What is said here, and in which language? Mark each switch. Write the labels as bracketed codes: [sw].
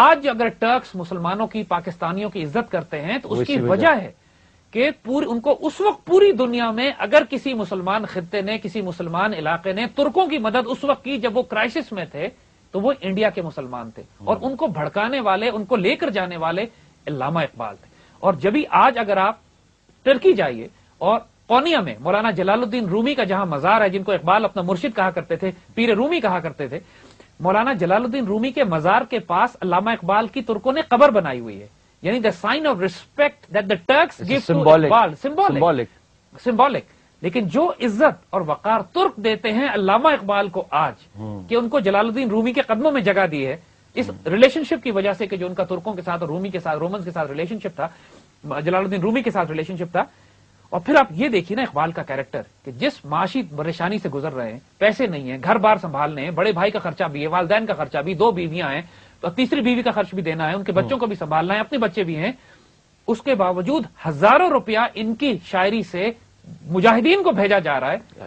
[ur] آج اگر ٹرکس مسلمانوں کی پاکستانیوں کی عزت کرتے ہیں تو اس کی وجہ ہے کہ ان کو اس وقت پوری دنیا میں اگر کسی مسلمان خطے نے, کسی مسلمان علاقے نے ترکوں کی مدد اس وقت کی جب وہ کرائسس میں تھے تو وہ انڈیا کے مسلمان تھے, اور ان کو بھڑکانے والے, ان کو لے کر جانے والے علامہ اقبال تھے. اور جبھی آج اگر آپ ترکی جائیے اور قونیا میں مولانا جلال الدین رومی کا جہاں مزار ہے, جن کو اقبال اپنا مرشد کہا کرتے تھے, پیر رومی کہا کرتے تھے, مولانا جلال الدین رومی کے مزار کے پاس علامہ اقبال کی ترکوں نے قبر بنائی ہوئی ہے. [en] یعنی the sign of respect that the Turks gave to Iqbal, symbolic. [ur] لیکن جو عزت اور وقار ترک دیتے ہیں علامہ اقبال کو آج, کہ ان کو جلال الدین رومی کے قدموں میں جگہ دی ہے اس ریلیشن شپ کی وجہ سے, کہ جو ان کا ترکوں کے ساتھ اور رومی کے ساتھ, رومنز کے ساتھ ریلیشن شپ تھا, جلال الدین رومی کے ساتھ ریلیشن شپ تھا. اور پھر آپ یہ دیکھیں نا اقبال کا کیریکٹر, کہ جس معاشی پریشانی سے گزر رہے ہیں, پیسے نہیں ہیں, گھر بار سنبھالنے ہیں, بڑے بھائی کا خرچہ بھی ہے, والدین کا خرچہ بھی, دو بیویاں ہیں تو تیسری بیوی کا خرچ بھی دینا ہے, ان کے بچوں کو بھی سنبھالنا ہے, اپنے بچے بھی ہیں, اس کے باوجود ہزاروں روپیہ ان کی شاعری سے مجاہدین کو بھیجا جا رہا ہے.